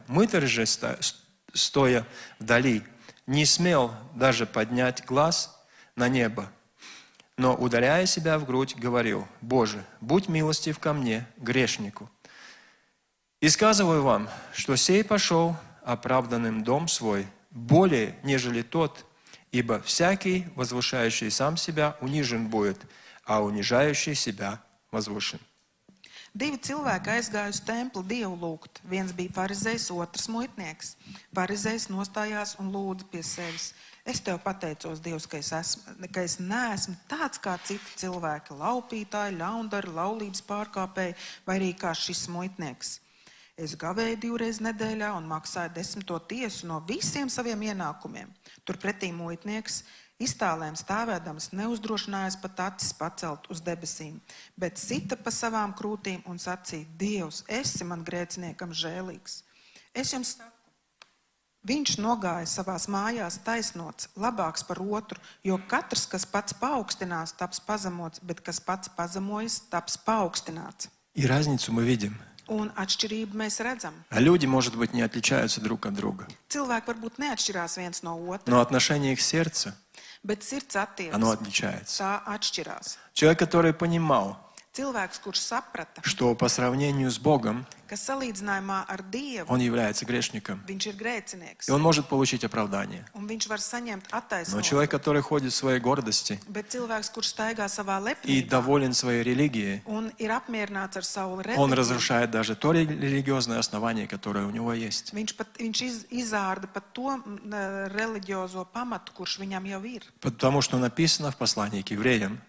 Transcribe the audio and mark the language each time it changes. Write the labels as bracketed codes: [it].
[ru] Мытарь же, стоя вдали, не смел даже поднять глаз на небо, но, ударяя себя в грудь, говорил: «Боже, будь милостив ко мне, грешнику». И сказываю вам, что сей пошел оправданным дом свой более, нежели тот, ибо всякий, возвышающий сам себя, унижен будет, а унижающий себя возвышен. [lv] Divi cilvēki aizgāja uz templi Dievu lūgt. Viens bija farizejs, otrs muitnieks. Farizejs nostājās un lūdza pie sevis: es tev pateicos, Dievs, ka es neesmu tāds kā citi cilvēki, laupītāji, ļaundari, laulības pārkāpēji vai arī kā šis muitnieks. Es gavēju divreiz nedēļā un maksāju desmito tiesu no visiem saviem ienākumiem. Turpretī muitnieks, iztālēm stāvēdams, neuzdrošinājās pat acis pacelt uz debesīm, bet sita pa savām krūtīm un sacīja: Dievs, esi man grēciniekam žēlīgs. Es jums saku, viņš nogāja savās mājās taisnots, labāks par otru, jo katrs, kas pats paaugstinās, taps pazemots, bet kas pats pazemojas, taps paaugstināts. Ir aizņicu, mēs vidim. Un atšķirību mēs redzam. [ru] А люди, может быть, не отличаются друг от друга. [lv] Cilvēki varbūt neatšķirās viens no otra. [ru] Но отношение их сердца, [lv] bet sirds attieks, [ru] оно отличается. [lv] Tā atšķirās. [ru] Человек, который понимал, [lv] Cilvēks, kurš saprata, [ru] что по сравнению с Богом, [lv] ar Dievu, [ru] он является грешником, [lv] viņš ir grēcinieks, [ru] и он может получить оправдание. [lv] Un viņš var saņemt attaisnotu. [ru] Но человек, который ходит в своей гордости, [lv] bet cilvēks, kurš staigā savā lepnībā, [ru] и доволен своей религией, [lv] un ir apmierināts ar savu [ru] religiju, он разрушает даже то религиозное основание, которое у него есть. [lv] Viņš izārda pat to religiozo pamatu, kurš viņam jau ir. [ru] Потому что написано в послании к евреям,